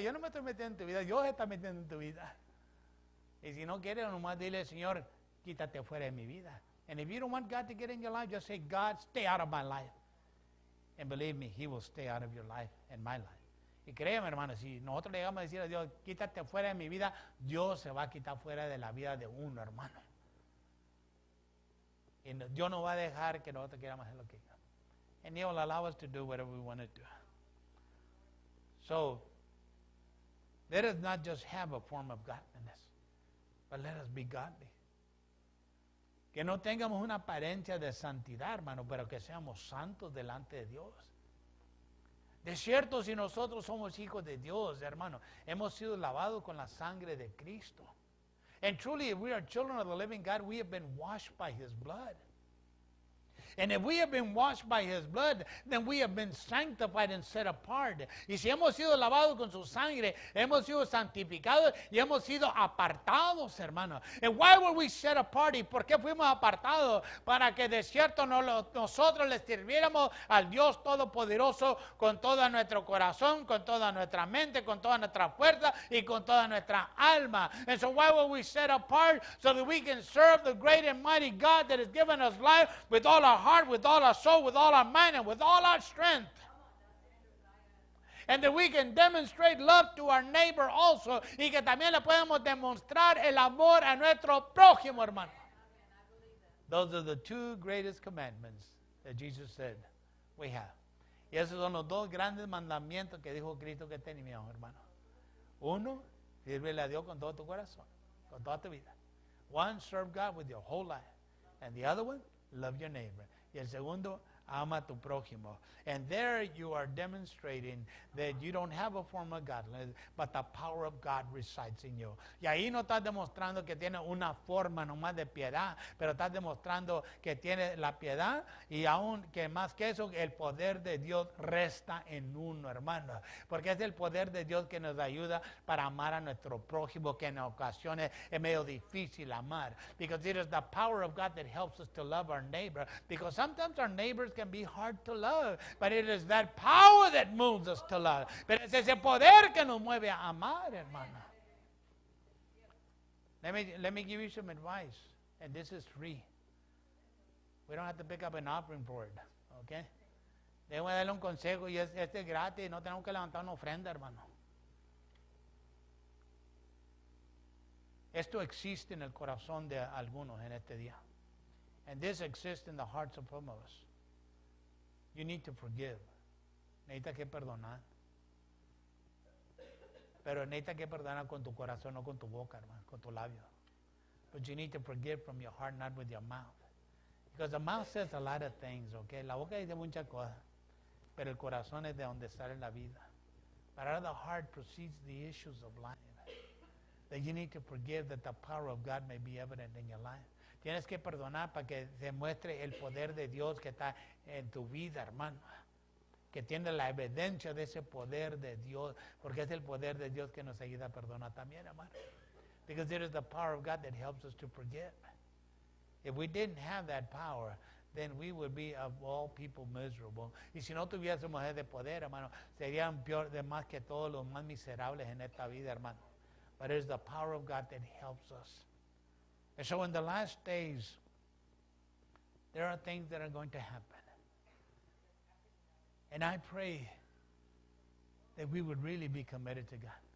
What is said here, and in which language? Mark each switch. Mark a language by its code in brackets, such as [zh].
[es] Yo no me estoy metiendo en tu vida. Dios está metiendo en tu vida. Y si no quieres, nomás dile, Señor, quítate fuera de mi vida. [en] And if you don't want God to get in your life, just say, God, stay out of my life. And believe me, He will stay out of your life and my life. [es] Y créeme, hermano, si nosotros le llegamos a decir a Dios, quítate fuera de mi vida, Dios se va a quitar fuera de la vida de uno, hermano. Y Dios no va a dejar que nosotros queramos hacer lo que yo. [en] And He will allow us to do whatever we want to do. So, let us not just have a form of godliness, but let us be godly. [es] Que no tengamos una apariencia de santidad, hermano, pero que seamos santos delante de Dios. De cierto, si nosotros somos hijos de Dios, hermano, hemos sido lavados con la sangre de Cristo. [en] And truly, if we are children of the living God, we have been washed by His blood. And if we have been washed by His blood, then we have been sanctified and set apart. [es] Y si hemos sido lavados con su sangre, hemos sido santificados y hemos sido apartados, hermano. [en] And why were we set apart? [es] ¿Y por qué fuimos apartados? Para que de cierto nosotros les sirviéramos al Dios Todopoderoso con todo nuestro corazón, con toda nuestra mente, con toda nuestra fuerza y con toda nuestra alma. [en] And so why were we set apart? So that we can serve the great and mighty God that has given us life with all our heart, with all our soul, with all our mind, and with all our strength. And that we can demonstrate love to our neighbor also. [es] Y que también le podemos demostrar el amor a nuestro prójimo, hermano. [en] Those are the two greatest commandments that Jesus said we have. [es] Y esos son los dos grandes mandamientos que dijo Cristo que teníamos, hermano. Uno, sirvele a Dios con todo tu corazón, con toda tu vida. [en] One, serve God with your whole life. And the other one, love your neighbor. [es] Y el segundo, ama tu prójimo. [en] And there you are demonstrating that you don't have a form of godliness, but the power of God resides in you. [es] Y ahí no estás demostrando que tienes una forma nomás de piedad, pero estás demostrando que tienes la piedad y aún que más que eso, el poder de Dios resta en uno, hermano. Porque es el poder de Dios que nos ayuda para amar a nuestro prójimo, que en ocasiones es medio difícil amar. [en] Because it is the power of God that helps us to love our neighbor. Because sometimes our neighbors can be hard to love, but it is that power that moves us to love. [es] Pero es ese poder que nos mueve a amar, hermana. [en] Let me give you some advice, and this is free. We don't have to pick up an offering board, okay? [es] Déjame darle un consejo, y este es gratis, no tenemos que levantar una ofrenda, hermano. Esto existe en el corazón de algunos en este día. [en] And this exists in the hearts of some of us. You need to forgive. [es] Necesita que perdonar. Pero necesita que perdonar con tu corazón, no con tu boca, hermano, con tu labio. [en] But you need to forgive from your heart, not with your mouth. Because the mouth says a lot of things, okay? [es] La boca dice muchas cosas. Pero el corazón es de donde sale la vida. [en] But out of the heart proceeds the issues of life. That you need to forgive that the power of God may be evident in your life. [es] Tienes que perdonar para que se muestre el poder de Dios que está en tu vida, hermano. Que tiene la evidencia de ese poder de Dios. Porque es el poder de Dios que nos ayuda a perdonar también, hermano. [en] Because it is the power of God that helps us to forgive. If we didn't have that power, then we would be, of all people, miserable. [es] Y si no tuviésemos ese poder, hermano, serían peor de más que todos los más miserables en esta vida, hermano. [en] But it is the power of God that helps us. And so in the last days, there are things that are going to happen. And I pray that we would really be committed to God.